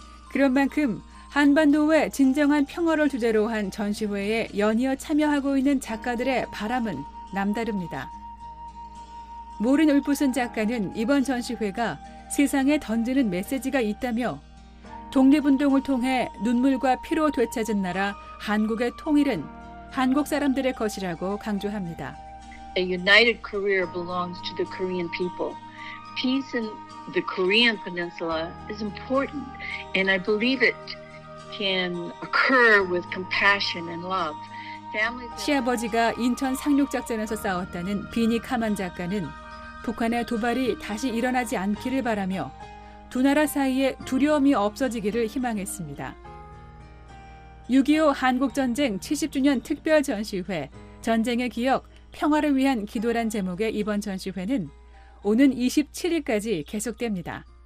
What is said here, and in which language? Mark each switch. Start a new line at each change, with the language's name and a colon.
Korean: 그런 만큼 한반도의 진정한 평화를 주제로 한 전시회에 연이어 참여하고 있는 작가들의 바람은 남다릅니다. 모른 울프슨 작가는 이번 전시회가 세상에 던지는 메시지가 있다며 독립운동을 통해 눈물과 피로 되찾은 나라 한국의 통일은 한국 사람들의 것이라고 강조합니다.
English: A united Korea belongs to the Korean people. Peace in the Korean Peninsula is important, and I believe it can occur with compassion and love.
Korean: 시아버지가 인천 상륙작전에서 싸웠다는 비니 카만 작가는 북한의 도발이 다시 일어나지 않기를 바라며 두 나라 사이에 두려움이 없어지기를 희망했습니다. 6.25 한국전쟁 70주년 특별전시회 전쟁의 기억, 평화를 위한 기도란 제목의 이번 전시회는 오는 27일까지 계속됩니다.